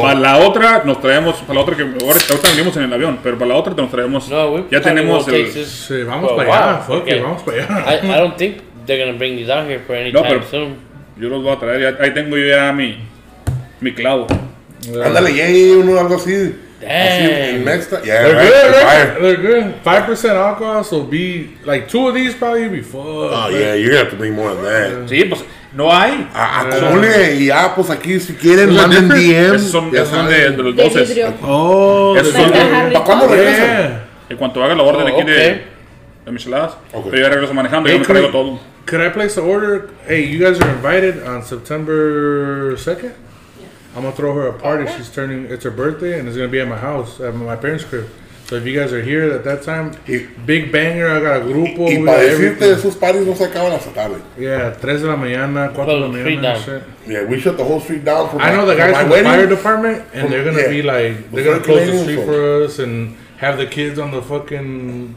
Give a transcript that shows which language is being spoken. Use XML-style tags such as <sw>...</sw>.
<es>Para la otra nos traemos, para la otra que ahorita venimos en el avión, pero para la otra te nos traemos. No, ya tenemos el. Sí, vamos para allá. Okay. Vamos para allá.</es> <en>I don't think they're gonna bring these out here for any time soon.</en> <es>Yo los voy a traer. Ahí tengo yo ya mi clavo. Ándale, yay, uno algo así.</es> <en>Damn. Next time. Yeah, they're right. Good, right? They're good. 5% alcohol, so be like two of these probably be fucked. Oh, man. Yeah, you're gonna have to bring more of that.</en> <es>Sí, pues no hay. Acumule y ya, pues aquí si quieren, manden DM. Esos son de los 12. Oh, esos son ¿para cuándo regresan? Yeah. En cuanto haga la orden aquí de Micheladas, okay. Yo ya regreso manejando, hey, yo me traigo todo.</es> <en>Could I place the order? Hey, you guys are invited on September 2nd? I'm gonna throw her a party. Okay. She's turning, it's her birthday, and it's gonna be at my house, at my parents' crib. So if you guys are here at that time,</en> <es>y,</es> <en>big banger, I got a grupo.</en> <es>Y para decirte, esos parties no se acaban hasta tarde. Yeah, 3 de la mañana, 4 de la mañana.</es> <en>Yeah, we shut the whole street down for I know the guys from the fire department, and from, they're gonna be like, they're gonna close the street for us and have the kids on the fucking.</en>